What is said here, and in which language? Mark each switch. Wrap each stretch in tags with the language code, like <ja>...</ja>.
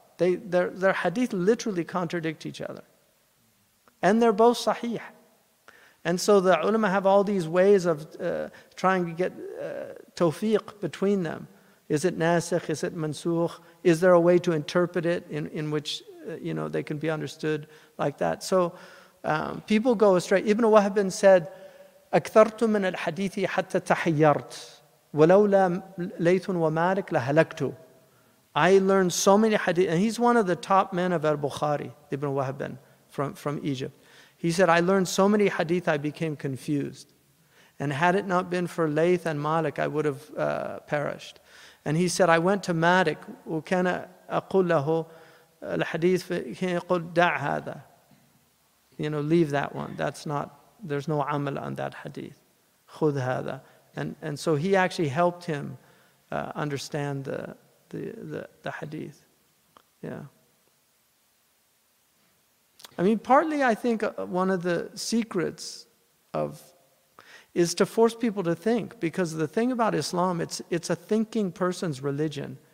<en>Their hadith literally contradict each other. And they're both sahih. And so the ulama have all these ways of trying to get tawfiq between them. Is it nasikh? Is it mansukh? Is there a way to interpret it in which, you know, they can be understood like that? So people go astray. Ibn Wahb said,</en> <ar>أكثرت من الحديث حتى تحيرت ولولا ليث ومالك لهلكت.</ar> <en>I learned so many hadith, and he's one of the top men of al-Bukhari, Ibn Wahb, from Egypt. He said, I learned so many hadith, I became confused. And had it not been for Layth and Malik, I would have perished. And he said, I went to Malik,</en> <ar>وكان أقول له الحديث, كان يقول دع هذا.</ar> <en>You know, leave that one. That's not, there's no amal on that hadith.</en> <ar>خذ هذا.</ar> <en>And so he actually helped him understand the hadith. Yeah. I mean, partly I think one of the secrets of is to force people to think, because the thing about Islam, it's a thinking person's religion.</en>